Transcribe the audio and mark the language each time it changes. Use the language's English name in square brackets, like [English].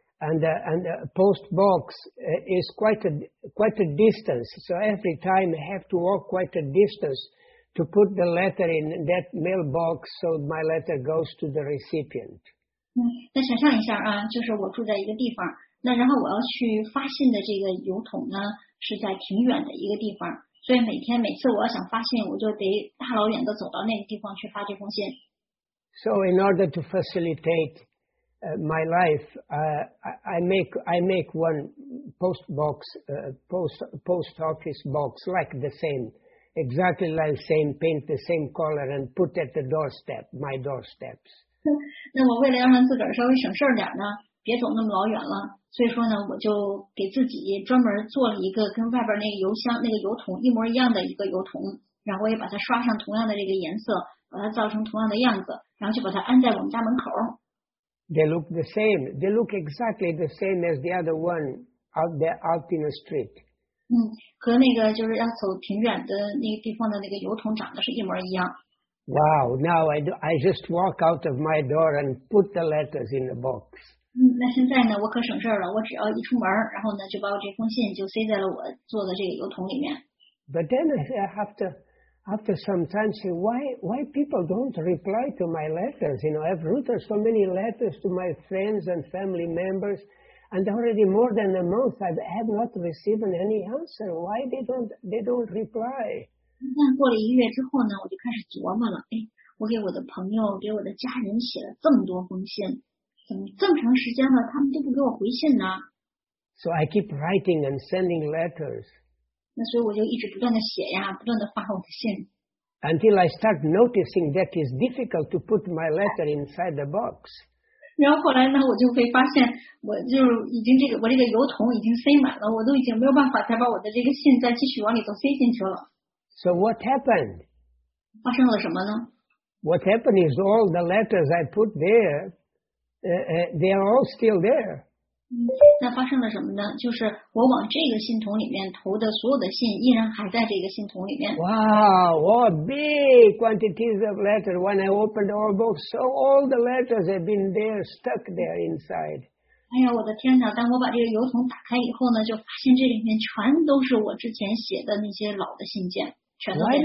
[English] And the post box is quite a distance. So every time I have to walk quite a distance to put the letter in that mailbox, so my letter goes to the recipient. [Chinese] 那想象一下啊，就是我住在一个地方，那然后我要去发信的这个邮筒呢是在挺远的一个地方，所以每次我要想发信，我就得大老远的走到那个地方去发这封信。 [English] So in order to facilitate. My life, I make one post office box, like the same, exactly like the same, paint the same color and put at the doorstep, my doorsteps. [Chinese] 那我为了要让自个儿稍微省事儿点呢，别走那么老远了，所以说呢，我就给自己专门做了一个跟外边那个邮箱那个邮筒一模一样的一个邮筒，然后我也把它刷上同样的这个颜色，把它造成同样的样子，然后就把它安在我们家门口。 [English] They look the same. They look exactly the same as the other one out there, out in the street. [Chinese] 和那个就是要走挺远的那个地方的那个邮筒长得是一模一样。 [English] Wow! Now I just walk out of my door and put the letters in the box. [Chinese] 那现在呢，我可省事了。我只要一出门，然后呢，就把我这封信就塞在了我做的这个邮筒里面。 [English] But then After some time, say, why people don't reply to my letters? You know, I've written so many letters to my friends and family members, and already more than a month I have not received any answer. Why they don't reply? [Chinese] 但过了一月之后呢，我就开始琢磨了，哎，我给我的朋友、给我的家人写了这么多封信，怎么这么长时间了，他们都不给我回信呢？ [English] So I keep writing and sending letters. [Chinese] 那所以我就一直不断的写呀，不断的发我的信。 [English] Until I start noticing that it's difficult to put my letter inside the box. [Chinese] 然后后来呢，我就会发现，我就已经这个我这个邮筒已经塞满了，我都已经没有办法再把我的这个信再继续往里头塞进去了。 [English] So what happened? [Chinese] 发生了什么呢 [English] ？What happened is all the letters I put there, they are all still there. [Chinese] 那发生了什么呢？就是我往这个信筒里面投的所有的信，依然还在这个信筒里面。 [English] Wow, what big quantities of letters! When I opened all books, so all the letters have been there, stuck there inside. [Chinese] 哎呀，我的天哪！当我把这个邮筒打开以后呢，就发现这里面全都是我之前写的那些老的信件，全都在。